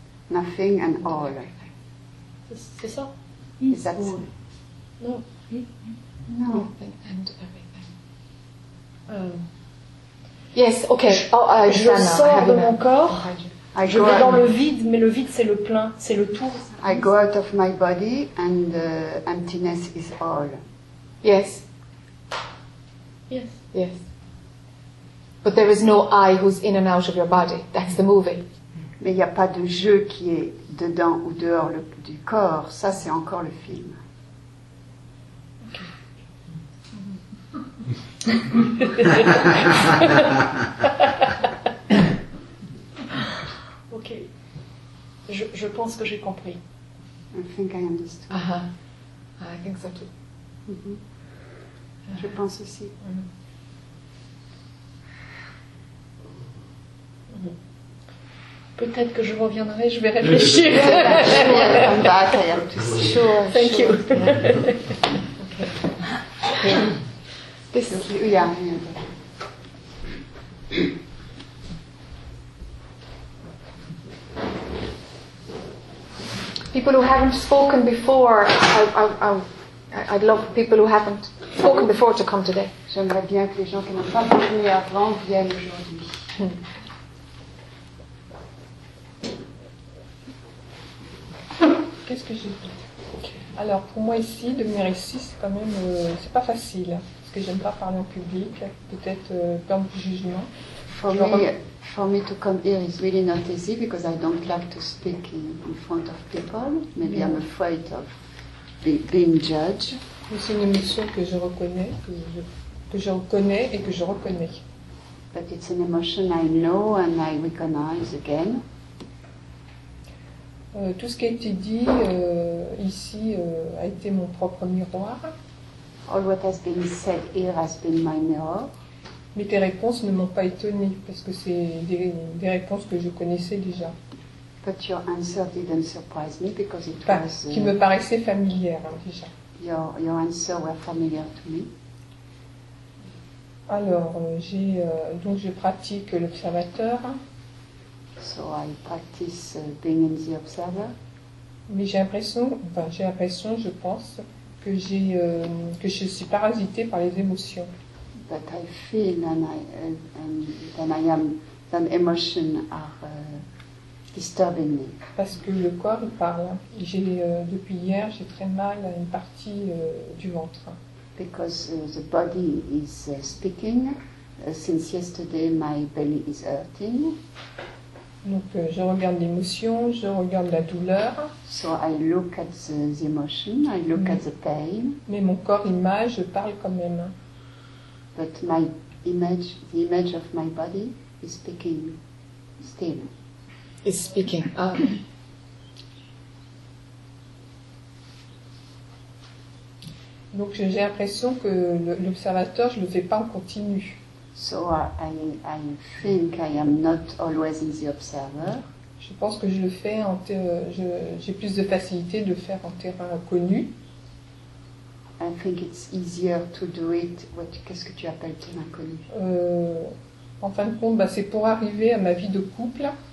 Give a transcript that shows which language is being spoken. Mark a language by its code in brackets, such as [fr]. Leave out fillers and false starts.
[en] Nothing and all. [fr] C'est ça? [en] Is that all? No. No. Nothing and everything. Yes, okay. Oh, [fr] je sors de mon corps. Je vais dans le vide, mais le vide, c'est le plein. C'est le tout. [en] I go out of my body and the emptiness is all. Yes. Yes. Yes. But there is no I who's in and out of your body. That's the movie. [fr] Mais il n'y a pas de jeu qui est dedans ou dehors du corps. Ça, c'est encore le film. Ok. Okay. Je pense que j'ai compris. [en] I think I understood. Uh-huh. I think so too. Mm-hmm. [fr] Je pense aussi. Peut-être que je reviendrai, je vais réfléchir. [en] Sure. Thank you. This is you. Yeah. People who haven't spoken before, I'd love people who haven't spoken before to come today. [fr] J'aimerais bien que les gens qui n'ont pas parlé avant viennent aujourd'hui. Qu'est-ce que j'ai fait? Alors, pour moi ici, devenir ici, c'est quand même... c'est pas facile, parce que j'aime pas parler en public, peut-être plein de jugements. [en] For me to come here is really not easy, because I don't like to speak in front of people. Maybe I'm afraid of being judged. [fr] Mais c'est une émotion que je reconnais, que je reconnais et que je reconnais. [en] But it's an emotion I know and I recognize again. [fr] Tout ce qui a été dit ici a été mon propre miroir. [en] All what has been said here has been my mirror. [fr] Mais tes réponses ne m'ont pas étonnée, parce que c'est des réponses que je connaissais déjà. [en] But your answer didn't surprise me because it [fr] was... qui me paraissait familière déjà. [en] Your answer were familiar to me. [fr] Alors, donc je pratique l'observateur. [en] So I practice being in the observer. [fr] Mais j'ai l'impression, je pense, que je suis parasitée par les émotions. [en] But I feel that emotions are disturbing me. [fr] Parce que le corps il parle. Depuis hier, j'ai très mal à une partie du ventre. [en] Because the body is speaking. Since yesterday, my belly is hurting. [fr] Donc, je regarde l'émotion, je regarde la douleur. [en] So I look at the emotion, I look at the pain. [fr] Mais mon corps image, je parle quand même. [en] But my image, the image of my body is speaking still. Is speaking. [fr] Donc j'ai l'impression que l'observateur, je ne le fais pas en continu. [en] So I think I am not always in the observer. [fr] Je pense que je le fais en j'ai plus de facilité de le faire en terrain connu. [en] I think it's easier to do it. [fr] Qu'est-ce que tu appelles terrain connu? En fin de compte, c'est pour arriver à ma vie de couple.